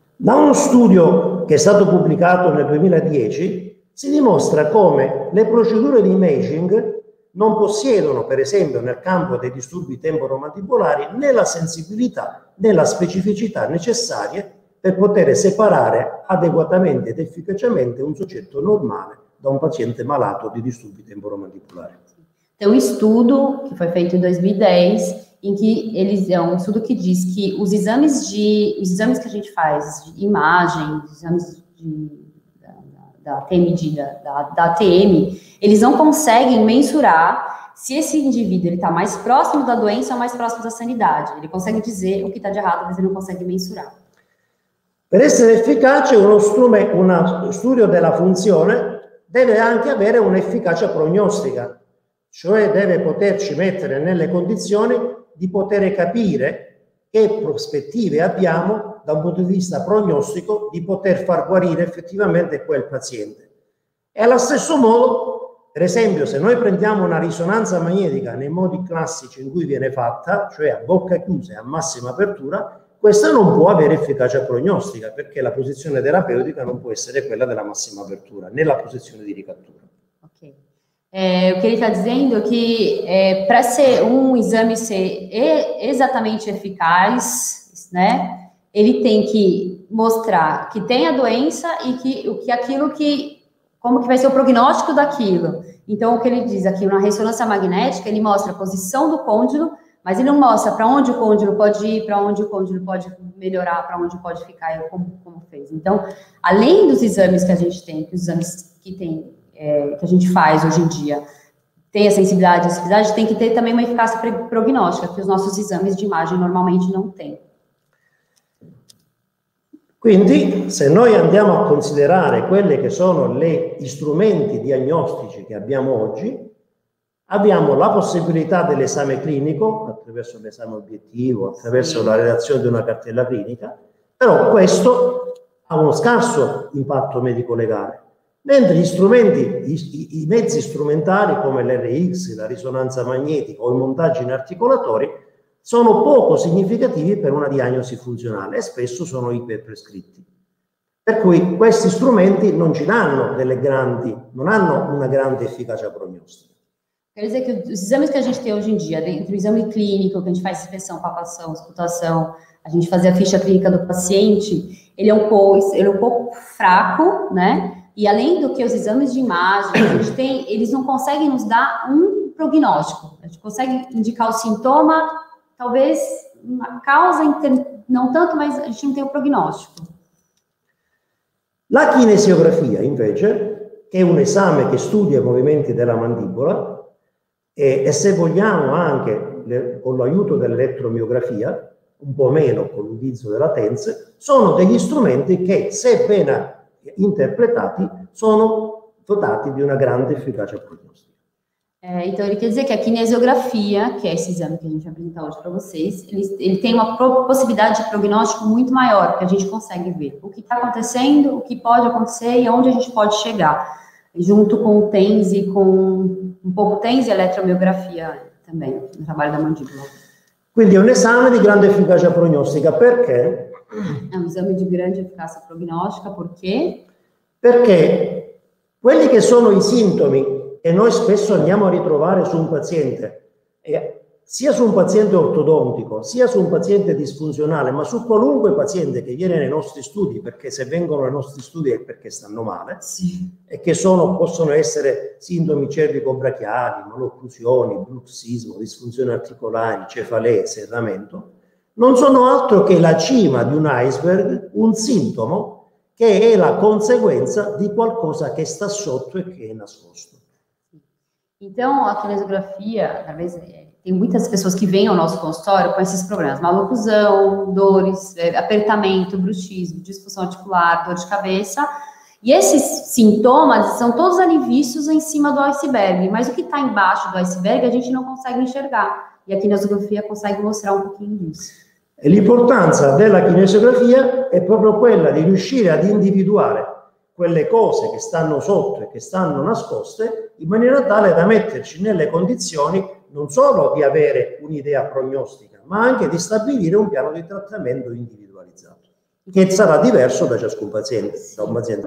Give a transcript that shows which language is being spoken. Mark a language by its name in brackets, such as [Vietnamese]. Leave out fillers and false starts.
[Italian] Da [Portuguese] um estudo que [Italian] é stato publicado nel 2010, se dimostra como le procedure di imaging non possiedono, per esempio, nel campo dei disturbi temporomandibolari, né la sensibilità né la specificità necessarie per poter separare adeguatamente ed efficacemente un soggetto normale da un paziente malato di disturbi temporomandibolari. C'è un studio che fu fatto nel 2010, in cui è un studio che dice che gli esami che a gente fa, di immagine, gli esami di da TMD, da TM, [Portuguese] eles não conseguem mensurar se esse indivíduo está mais próximo da doença ou mais próximo da sanidade. Ele consegue dizer o que está de errado, mas ele não consegue mensurar. [Italian] Per essere efficace, uno studio della funzione deve anche avere un'efficacia prognostica, cioè deve poterci mettere nelle condizioni di poter capire che prospettive abbiamo da un punto di vista prognostico di poter far guarire effettivamente quel paziente. E allo stesso modo, per esempio, se noi prendiamo una risonanza magnetica nei modi classici in cui viene fatta, cioè a bocca chiusa e a massima apertura, questa non può avere efficacia prognostica, perché la posizione terapeutica non può essere quella della massima apertura, né la posizione di ricattura. Ok. [Portuguese] O que ele está dizendo que para ser um exame ser exatamente eficaz, né, ele tem que mostrar que tem a doença e que o que aquilo que como que vai ser o prognóstico daquilo. Então o que ele diz aqui na ressonância magnética, ele mostra a posição do côndilo, mas ele não mostra para onde o côndilo pode ir, para onde o côndilo pode melhorar, para onde pode ficar, como fez. Então, além dos exames que a gente tem, que os exames que tem que a gente faz hoje em dia, tem a sensibilidade e a sensibilidade, tem que ter também uma eficácia prognóstica, que os nossos exames de imagem normalmente não têm. [Italian] Quindi, se noi andiamo a considerare quelle che sono le strumenti diagnostici che abbiamo oggi, abbiamo la possibilità dell'esame clinico, attraverso l'esame obiettivo, attraverso la redazione di una cartella clinica, però questo ha uno scarso impatto medico-legale. Mentre gli strumenti, i mezzi strumentali come l'RX, la risonanza magnetica o i montaggi in articolatori sono poco significativi per una diagnosi funzionale e spesso sono iperprescritti. Per cui questi strumenti non ci danno non hanno una grande efficacia prognostica. [Portuguese] Quer dizer que os exames que a gente tem hoje em dia, dentro do exame clínico, que a gente faz inspeção, palpação, auscultação, a gente fazer a ficha clínica do paciente, ele é um pouco fraco, né? E além do que os exames de imagem que a gente tem, eles não conseguem nos dar um prognóstico. A gente consegue indicar o sintoma, talvez uma causa, não tanto, mas a gente não tem o prognóstico. [Italian] La kinesiografia, invece, [Portuguese] que é um exame que estudia os movimentos da mandíbula, [Italian] e se vogliamo anche con l'aiuto dell'elettromiografia, un po' meno con l'utilizzo della TENS, sono degli strumenti che, se ben interpretati, sono dotati di una grande efficacia prognostica. [Portuguese] Então ele quer dizer che a kinesiografia, [Italian] che è [Portuguese] esse esame che a gente apresenta [Italian] oggi [Portuguese] para vocês, ele tem uma possibilidade de prognóstico muito maior, que a gente consegue ver o que está acontecendo, o que pode acontecer e onde a gente pode chegar, junto com o TENS e com [Italian] un po' TENS e elettromiografia anche, il lavoro della mandibola. Quindi è un esame di grande efficacia prognostica, perché? È un esame di grande efficacia prognostica, perché? Perché quelli che sono i sintomi che noi spesso andiamo a ritrovare su un paziente, sia su un paziente ortodontico, sia su un paziente disfunzionale, ma su qualunque paziente che viene nei nostri studi, perché se vengono ai nostri studi è perché stanno male, sì, e che possono essere sintomi cervico-brachiali, malocclusioni, bruxismo, disfunzioni articolari, cefalee, serramento, non sono altro che la cima di un iceberg, un sintomo che è la conseguenza di qualcosa che sta sotto e che è nascosto. [Portuguese] Então, a kinesiografia, talvez, tem muitas pessoas que vêm ao nosso consultório com esses problemas, malocclusão, dores, apertamento, bruxismo, disfunção articular, dor de cabeça, e esses sintomas são todos ali vistos em cima do iceberg, mas o que está embaixo do iceberg a gente não consegue enxergar, e a kinesiografia consegue mostrar um pouquinho disso. [Italian] E l'importanza della kinesiografia è proprio quella di riuscire ad individuare quelle cose che stanno sotto e che stanno nascoste, in maniera tale da metterci nelle condizioni non solo di avere un'idea prognostica, ma anche di stabilire un piano di trattamento individualizzato, che sarà diverso da ciascun paziente, da un paziente